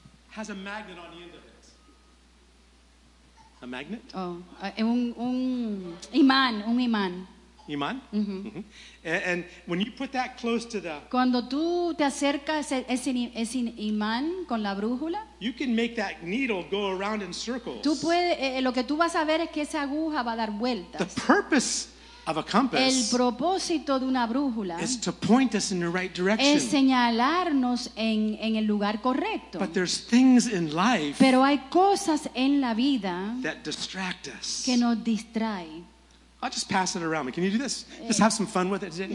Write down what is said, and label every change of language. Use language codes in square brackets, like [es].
[en] Has a magnet on the end of it. A magnet? [es] Oh, un imán. Imán? Mm-hmm. Mm-hmm. [en] And when you put that close to the [es] cuando tú te acercas ese imán con la brújula, [en] you can make that needle go around in circles. [es] Tú puedes lo que tú vas a ver es que esa aguja va a dar vueltas. [en] The purpose of a compass. [es] El propósito de una brújula [en] is to point us in the right direction. [es] Es señalarnos en el lugar correcto. [en] But there's things in life. [es] Pero hay cosas en la vida [en] that distract us. [es] Que nos distrae. [en] I'll just pass it around. Can you do this? Just have some fun with it.